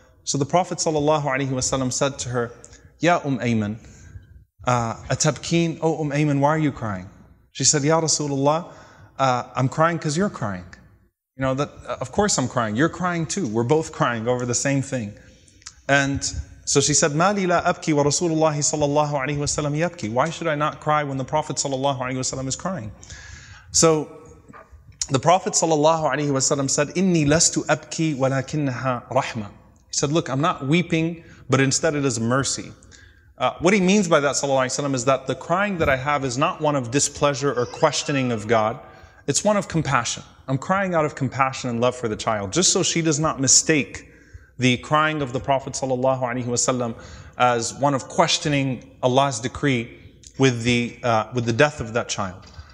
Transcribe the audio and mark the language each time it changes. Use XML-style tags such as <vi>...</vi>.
<en>So the Prophet ﷺ said to her,</en> <ar>Ya Ayman, atabkeen,</ar> <en>oh Ayman, why are you crying? She said, Ya Rasulullah, I'm crying because you're crying. You know, that of course I'm crying, you're crying too, we're both crying over the same thing. And So she said,</en> <ar>مَالِي لَا أَبْكِي وَرَسُولُ اللَّهِ صَلَى اللَّهُ عَلَيْهِ وَسَلَّمْ يَبْكِي.</ar> <en>Why should I not cry when the Prophet صلى الله عليه وسلم is crying? So the Prophet</en> <ar>صلى الله عليه وسلم</ar> <en>said,</en> <ar>إِنِّي لَسْتُ أَبْكِي وَلَكِنَّهَا رَحْمَةً.</ar> <en>He said, look, I'm not weeping, but instead it is mercy. What he means by that, sallallahu alayhi wa sallam, is that the crying that I have is not one of displeasure or questioning of God. It's one of compassion. I'm crying out of compassion and love for the child, just so she does not mistake the crying of the Prophet sallallahu alayhi wa sallam as one of questioning Allah's decree with the death of that child.</en>